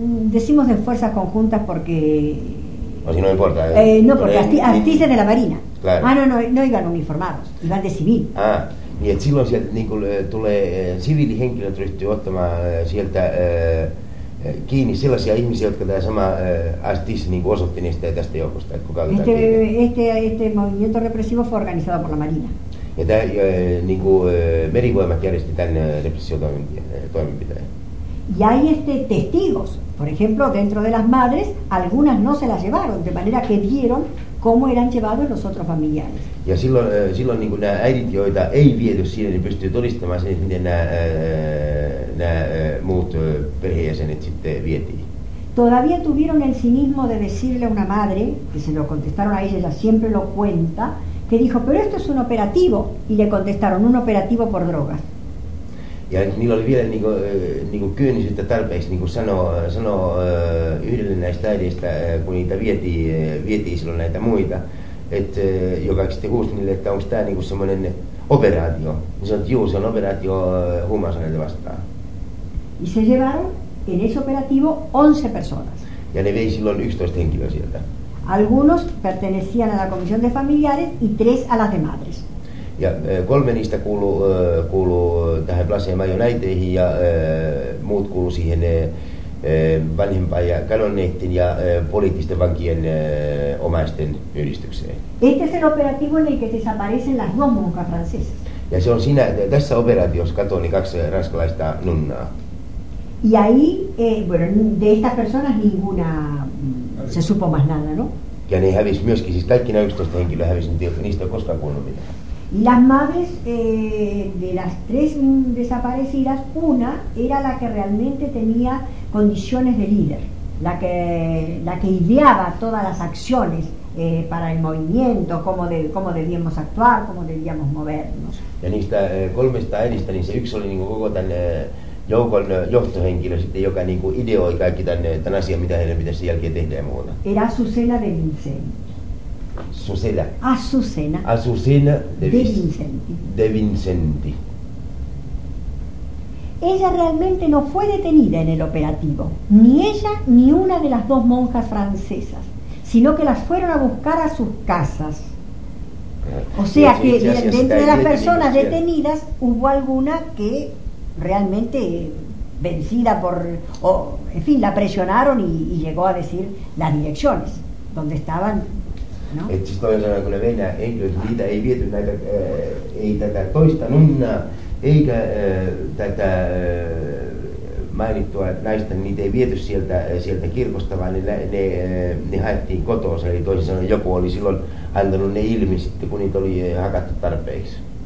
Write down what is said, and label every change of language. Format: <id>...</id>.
<es>Decimos de fuerzas conjuntas porque o si no importa. No, porque Astiz es de la Marina. Claro. No iban uniformados, iban de civil.</es> <fi>Ah, niin et silloin sieltä niinku tulee siviilihenkilöt ryhtyy ottamaan sieltä kiinni sellaisia ihmisiä, jotka tämä sama Astiz niinku osoitti niistä ja tästä joukosta, että kuka otetaan kiinni.</fi> <es>Este movimiento represivo fue organizado por la Marina.</es> <fi>Ja tämä niinku merivoimat järjesti tämän repressiotoimenpiteen.</fi> <es>Y hay testigos, por ejemplo, dentro de las madres, algunas no se las llevaron, de manera que vieron cómo eran llevados los otros familiares.</es> <fi>Ja silloin niin kuin nämä äidit, joita ei viety siinä, niin pystyy todistamaan sen, miten nämä muut perheenjäsenet sitten vietiin.</fi> <es>Todavía tuvieron el cinismo de decirle a una madre, que se lo contestaron a ella, siempre lo cuenta, que dijo, pero esto es un operativo, y le contestaron, un operativo por drogas.</es> <fi>Ja niillä oli vielä niinku kyynisyyttä tarpeeksi niinku sanoo yhdelle näistä äidistä, kun niitä vietiin silloin näitä muita, että joka sitten huusi niille, että onko tämä niinku semmoinen operaatio. Niin sanoi, että juu, se on operaatio huumausaineita vastaan.</fi> <es>Y se llevaron en ese operativo 11 personas.</es> <fi>Ja ne vei silloin 11 henkilöä sieltä.</fi> <es>Algunos pertenecían a la comisión de familiares y 3 a las de madres.</es> <fi>Ja kolme niistä kuuluu tähän Place Mayon äiteihin ja muut kuuluu siihen vanhempaan ja kadonneiden ja poliittisten vankien omaisten yhdistykseen.</fi> <es>Este es el operativo en el que desaparecen las dos monjas francesas.</es> <fi>Ja se on siinä, tässä operaatiossa katoaa niin 2 ranskalaista nunnaa.</fi> <es>Y ahí, bueno, de estas personas ninguna se supo más nada, ¿no?</es> <fi>Ja ne hävisi myöskin, siis kaikki nämä 11 henkilöä hävisi, mutta niistä ei ole koskaan kuullut mitään.</fi> <es>Las madres de las 3 desaparecidas, una era la que realmente tenía condiciones de líder, la que ideaba todas las acciones para el movimiento, cómo debíamos actuar, cómo debíamos movernos.</es> <fi>Ja niistä kolmesta äidistä, niin se yksi oli niinku koko tämän joukon johtohenkilö, sitten, joka niinku ideoi kaikki tämän asian, mitä heidän pitäisi sen jälkeen tehdä ja muuta.</fi> <es>Era Azucena de Vincent. Suseda. Azucena. Azucena de Vincenti. Ella realmente no fue detenida en el operativo, ni ella ni una de las 2 monjas francesas, sino que las fueron a buscar a sus casas. O sea que dentro de las personas detenidas hubo alguna que realmente vencida la presionaron y llegó a decir las direcciones donde estaban. No.</es> <fi>Että siis toinen sanoen, kun ne veivät henkilöitä, niitä ei viety näitä, ei tätä toista nunnaa, eikä tätä mainittua naista, niitä ei viety sieltä kirkosta, vaan ne haettiin kotoa. Eli toisin sanoen, joku oli silloin antanut ne ilmi sitten, kun niitä oli hakattu tarpeeksi.</fi>